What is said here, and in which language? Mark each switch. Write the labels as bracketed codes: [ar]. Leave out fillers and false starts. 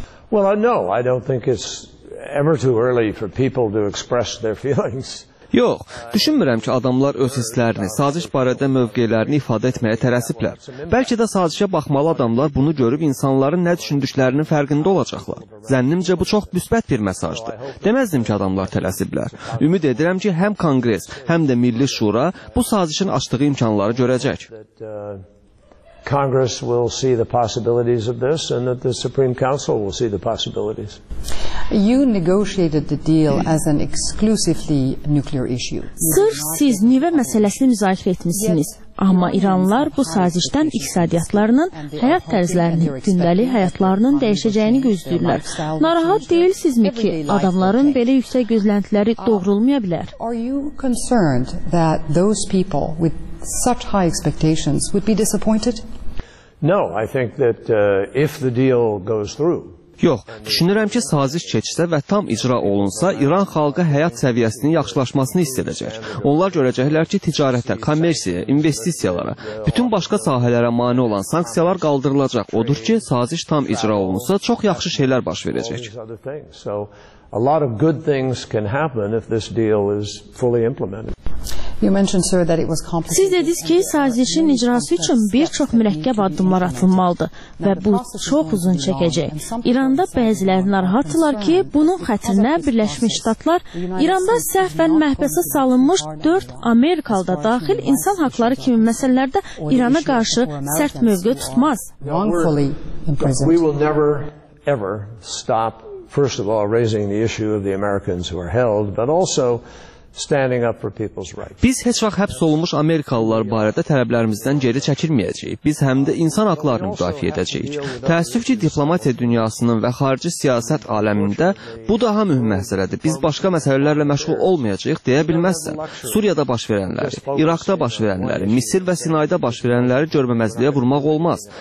[en] Well, no, I don't think it's ever too early for people to express their feelings. [az] Yox, düşünmürəm ki, adamlar öz hislərini, saziş barədə mövqelərini ifadə etməyə tələsiblər. Bəlkə də sazişə baxmalı adamlar bunu görüb insanların nə düşündüklərinin fərqində olacaqlar. Zənnimcə bu çox müsbət bir mesajdır. Deməzdim ki, adamlar tələsiblər. Ümid edirəm ki, həm Konqres, həm də Milli Şura bu sazişin açdığı imkanları görəcək. [en] Congress will see the possibilities of this and that the Supreme Council will see the possibilities. You negotiated the deal as an exclusively nuclear issue. [az] Sırf siz nüvə məsələsini müzakirə etmişsiniz. Amma İranlılar bu sazişdən iqtisadiyyatlarının, həyat tərzlərinin, gündəli həyatlarının dəyişəcəyini gözləyirlər. Narahat deyilsizmi ki, adamların belə yüksək gözləntiləri doğrulmaya bilər? [en] Are you concerned that those people with such high expectations would be disappointed? No, I think that if the deal goes through. [az] Yox, düşünürəm ki, saziş keçsə və tam icra olunsa, İran xalqı həyat səviyyəsinin yaxşılaşmasını istəyəcək. Onlar görəcəklər ki, ticarətə, kommersiyaya, investisiyalara, bütün başqa sahələrə mane olan sanksiyalar qaldırılacaq. Odur ki, saziş tam icra olunsa, çox yaxşı şeylər baş verəcək. [en] So, a lot of good things can happen if this deal is fully implemented. You mentioned, sir, that it was complicated. [az] Siz dediniz ki, sazişin icrası üçün bir çox mürəkkəb addımlar atılmalıdır və bu çox uzun çəkəcək. İranda bəziləri narahatdırlar ki, bunun xətrinə Birləşmiş Ştatlar İranda səhvən məhbəsə salınmış 4 Amerikalı da daxil insan haqları kimi məsələlərdə İrana qarşı sərt mövqe tutmaz. [en] We will never ever stop first of all raising the issue of the Americans who are held, but also standing up for people's rights. [az] Biz heç vaxt həbs olunmuş Amerikalılar barədə tələblərimizdən geri çəkilməyəcəyik. Biz həm də insan haqlarını müdafiə edəcəyik. Təəssüf ki, diplomatiya dünyasının və xarici siyasət aləmində bu daha mühüm məsələdir. Biz başqa məsələlərlə məşğul olmayacağıq deyə bilməzsən. Suriyada baş verənləri, İraqda baş verənləri, Misir və Sinayda baş verənləri görməməzliyə vurmaq olmaz.